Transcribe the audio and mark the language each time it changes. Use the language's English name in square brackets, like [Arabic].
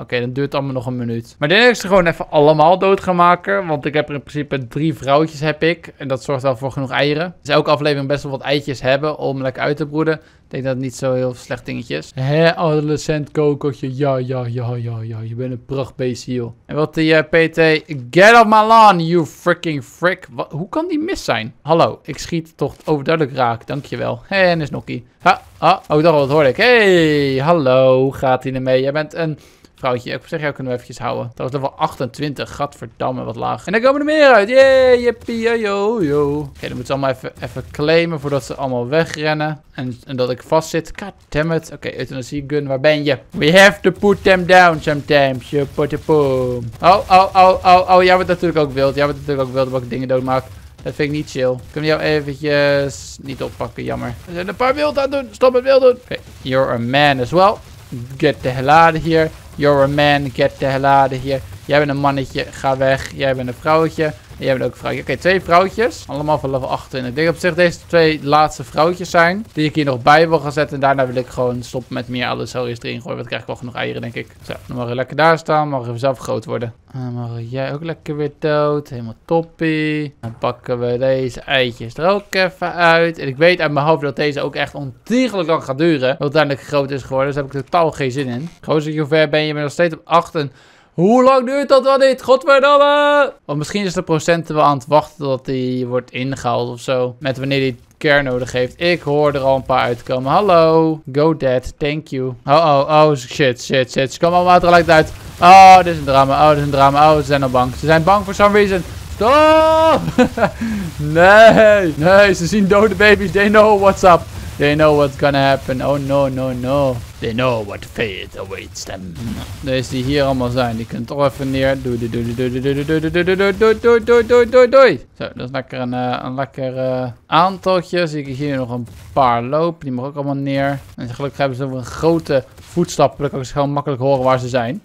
[Dutch] Oké, dan duurt het allemaal nog een minuut. Maar dan heb ik ze gewoon even allemaal dood gaan maken. Want ik heb er in principe 3 vrouwtjes heb ik. En dat zorgt wel voor genoeg eieren. Dus elke aflevering best wel wat eitjes hebben om lekker uit te broeden. Ik denk dat het niet zo heel slecht dingetje is. Hé, adolescent kokotje. Ja. Je bent een prachtbeestje, joh. En wat die PT... [English] Get off my lawn, you freaking frick. [Dutch] Wat? Hoe kan die mis zijn? Hallo, ik schiet toch overduidelijk raak. Dankjewel. Hé, en is Nokkie. Oh, dacht al, dat hoorde ik. Hey, hallo. Hoe gaat hij ermee? Jij bent een... Vrouwtje, ik zeg, jou kunnen we eventjes houden. Dat was level 28. Gadverdamme, wat laag. En daar komen er meer uit. [English] Yeah, yippie, yo. [Dutch] Oké, dan moeten ze allemaal even claimen voordat ze allemaal wegrennen. En dat ik vastzit. [English] God damn it. [Dutch] Oké, euthanasie gun, waar ben je? [English] We have to put them down sometimes. You put the boom. Oh. [Dutch] Jij wordt natuurlijk ook wild. Jij wordt natuurlijk ook wild dat ik dingen doodmaak. Dat vind ik niet chill. Kun je jou eventjes niet oppakken, jammer. We zijn een paar wild aan het doen. Stop met wild doen. [English] Oké, you're a man as well. Get the hell out of here. You're a man, get the hell out of here. [Dutch] Jij bent een mannetje, ga weg. Jij bent een vrouwtje. En jij bent ook een vrouwtje. Oké, 2 vrouwtjes. Allemaal van level 28. Ik denk op zich deze 2 laatste vrouwtjes zijn. Die ik hier nog bij wil gaan zetten. En daarna wil ik gewoon stoppen met meer allesorius erin gooien. Want dan krijg ik wel genoeg eieren, denk ik. Zo, dan mag je lekker daar staan. Mag je zelf groot worden. Dan mag jij ook lekker weer dood. Helemaal toppie. Dan pakken we deze eitjes er ook even uit. En ik weet uit mijn hoofd dat deze ook echt ontiegelijk lang gaat duren. Want uiteindelijk groot is geworden. Dus daar heb ik totaal geen zin in. Gozer, hoe ver ben je? Je bent nog steeds op 8 en... Hoe lang duurt dat dan niet? Godverdomme! Want misschien is de procenten wel aan het wachten dat die wordt ingehaald of zo. Met wanneer die care nodig heeft. Ik hoor er al een paar uitkomen. [English] Hallo. Go dead. Thank you. Oh, shit. [Dutch] Ze komen allemaal tegelijkertijd uit. Oh, dit is een drama. Oh, ze zijn al bang. Ze zijn bang [English] for some reason. [Dutch] Stop! Nee, ze zien dode baby's. [English] They know what's up. They know what's gonna happen. Oh, no. They know what fate awaits them. [Dutch] Deze die hier allemaal zijn, die kunnen toch even neer. Doei, doei, doei, doei, doei, doei, doei, doei, doei, doei, doei, doei, doei. Zo, dat is lekker een lekker aantaltje. Zie ik hier nog een paar lopen, die mogen ook allemaal neer. En gelukkig hebben ze nog een grote voetstap, dat kan ik gewoon makkelijk horen waar ze zijn.